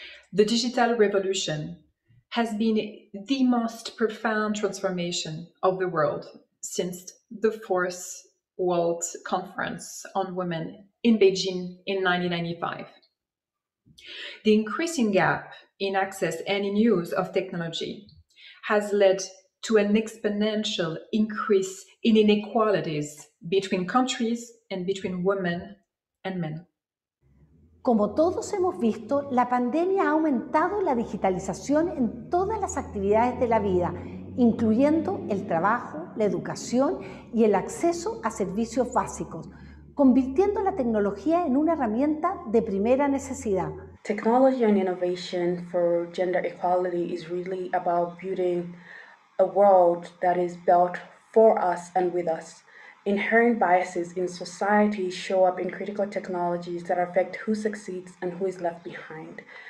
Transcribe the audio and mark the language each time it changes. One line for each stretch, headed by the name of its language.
English: The digital revolution has been the most profound transformation of the world since the Fourth World Conference on Women in Beijing in 1995. The increasing gap in access and in use of technology has led to an exponential increase in inequalities between countries and between women and men.
Spanish: Como todos hemos visto, la pandemia ha aumentado la digitalización en todas las actividades de la vida, incluyendo el trabajo, la educación y el acceso a servicios básicos, convirtiendo la tecnología en una herramienta de primera necesidad.
English: Technology and innovation for gender equality is really about building a world that is built for us and with us. Inherent biases in society show up in critical technologies that affect who succeeds and who is left behind.